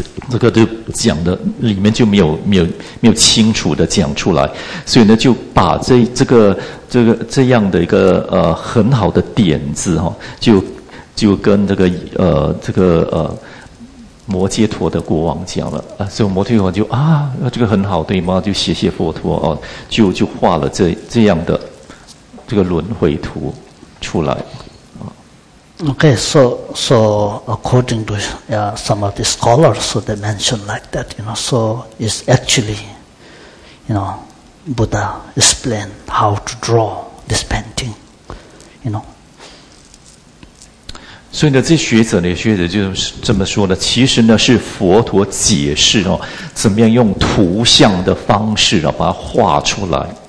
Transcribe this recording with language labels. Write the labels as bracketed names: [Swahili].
[Chinese] 这个就讲的里面就没有清楚的讲出来，所以呢就把这个这样的一个很好的点子哈、哦，就跟这个摩揭陀的国王讲了啊，所以摩揭陀就啊这个很好对吗？就谢谢佛陀哦，就画了这样的这个轮回图出来。 [English] Okay, so according to some of the scholars, so they mention like that, you know, so it's actually, you know, Buddha explained how to draw this painting, you know. [Chinese] 所以呢，这学者就这么说的，其实呢是佛陀解释哦，怎么样用图像的方式啊把它画出来。